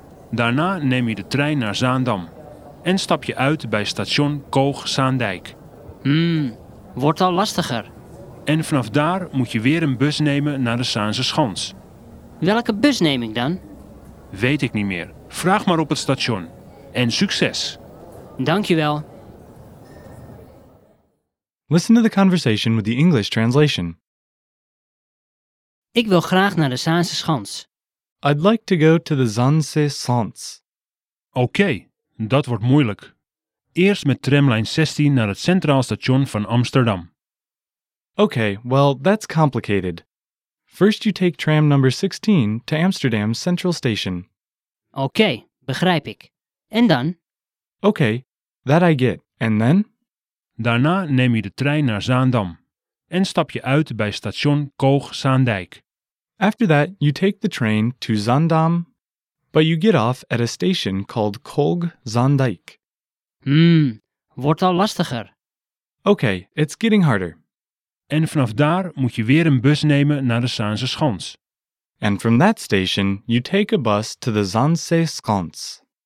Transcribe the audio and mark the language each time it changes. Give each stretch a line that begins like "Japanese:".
Dutch: Daarna neem je de trein naar Zaandam en stap je uit bij station Koog-Zaandijk. Wordt al lastiger. En vanaf daar moet je weer een bus nemen naar de Zaanse Schans. Welke bus neem ik dan? Weet ik niet meer. Vraag maar op het station. En succes! Dankjewel.
English: Listen to the conversation with the English translation.
Dutch: Ik wil graag naar de Zaanse Schans.
English: I'd like to go to the Zaanse Schans.
Dutch: Okay, dat wordt moeilijk. Eerst met tramlijn 16 naar het Centraal Station van Amsterdam.
English: Okay, well, that's complicated. First you take tram number 16 to Amsterdam's Central Station.
Dutch: Okay, begrijp ik. En dan?
English: Okay, that I get. And then?
Dutch: Daarna neem je de trein naar Zaandam en stap je uit bij station Koog-Zaandijk.
English: After that, you take the train to Zaandam, but you get off at a station called Koog-Zaandijk.
Dutch: Wordt al lastiger.
English: Okay, it's getting harder.
Dutch: En vanaf daar moet je weer een bus nemen naar de Zaanse Schans.
English: And from that station, you take a bus to the Zaanse Schans.